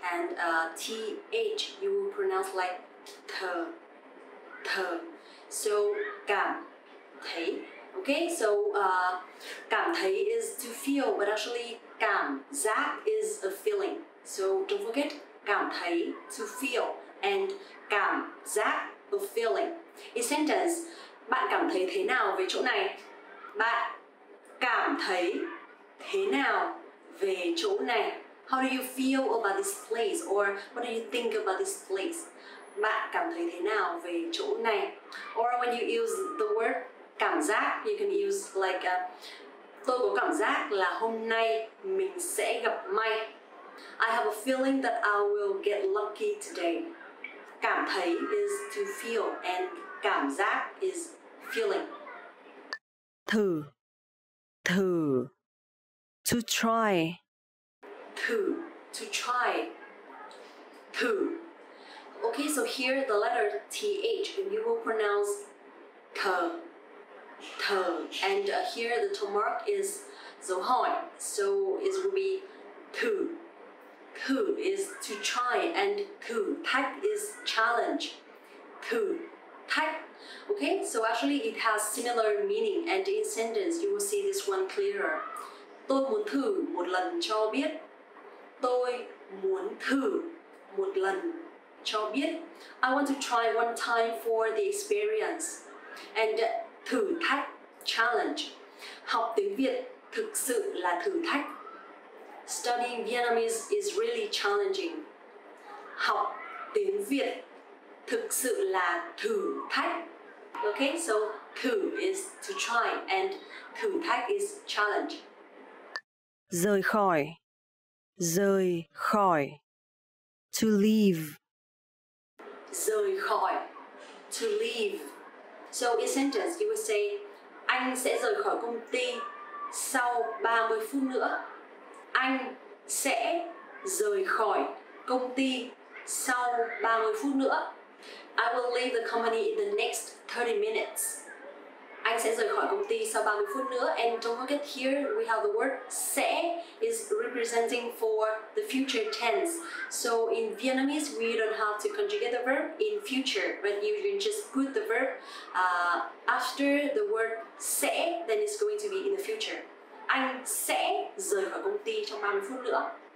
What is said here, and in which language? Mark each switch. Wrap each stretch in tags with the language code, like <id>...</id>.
<en>And TH, you will pronounce like th, th. So, cảm thấy. Okay, so cảm thấy is to feel, but actually cảm giác is a feeling. So don't forget, cảm thấy, to feel, and cảm giác, a feeling. In sentence,</en> <vi>bạn cảm thấy thế nào về chỗ này? Bạn cảm thấy thế nào về chỗ này?</vi> <en>How do you feel about this place? Or what do you think about this place?</en> <vi>Bạn cảm thấy thế nào về chỗ này?</vi> <en>Or when you use the word cảm giác, you can use like</en> <vi>tôi có cảm giác là hôm nay mình sẽ gặp may.</vi> <en>I have a feeling that I will get lucky today. Cảm thấy is to feel and cảm giác is feeling.</en> <vi>Thử, thử,</vi> <en>to try.</en> <vi>Thử,</vi> <en>to try.</en> <vi>Thử.</vi> <en>Okay, so here the letter TH, and you will pronounce th. Th. And here the tone mark is dấu hỏi, so it will be thử. Thử is to try, and thử thách is challenge.</en> <vi>Thử thách.</vi> <en>Okay, so actually it has similar meaning, and in sentence you will see this one clearer.</en> <vi>Tôi muốn thử một lần cho biết. Tôi muốn thử một lần cho biết.</vi> <en>I want to try one time for the experience.</en> <vi>And thử thách,</vi> <en>challenge.</en> <vi>Học tiếng Việt thực sự là thử thách.</vi> <en>Studying Vietnamese is really challenging.</en> <vi>Học tiếng Việt thực sự là thử thách.</vi> <en>Okay, so thử is to try and thử thách is challenge.</en> <vi>Rời khỏi, rời khỏi,</vi> <en>to leave.</en> <vi>Rời khỏi,</vi> <en>to leave. So in sentence, you would say,</en> <vi>anh sẽ rời khỏi công ty sau 30 phút nữa. Anh sẽ rời khỏi công ty sau 30 phút nữa.</vi> <en>I will leave the company in the next 30 minutes.</en> <vi>Anh sẽ rời khỏi công ty sau 30 phút nữa.</vi> <en>And don't forget here, we have the word sẽ is representing for the future tense. So in Vietnamese, we don't have to conjugate the verb in future, but you can just put the verb after the word sẽ, then it's going to be in the future.</en> <vi>Anh sẽ rời khỏi công ty trong 30 phút nữa.</vi>